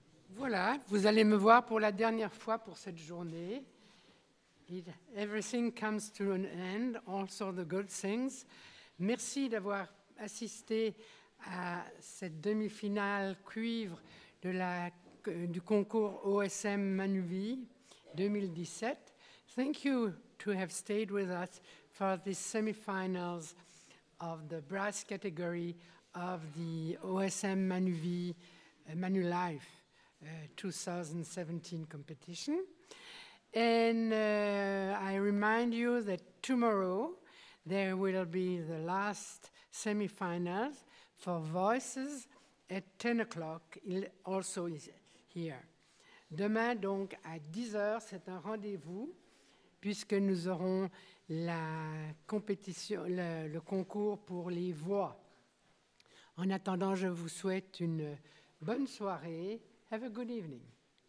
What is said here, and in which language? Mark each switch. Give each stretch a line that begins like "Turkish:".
French: Voilà, vous allez me voir pour la dernière fois pour cette journée.
English: Everything comes to an end, also the good things.
French: Merci d'avoir assisté à cette demi-finale cuivre de du concours OSM Manuvie 2017.
English: Thank you to have stayed with us for the semifinals of the brass category of the OSM Manuvie Manulife 2017 competition. And I remind you that tomorrow there will be the last semifinals for voices at 10 o'clock. Il also is here.
French: Demain, donc, à 10 heures, c'est un rendez-vous, puisque nous aurons la compétition, le concours pour les voix. En attendant, je vous souhaite une bonne soirée.
English: Have a good evening.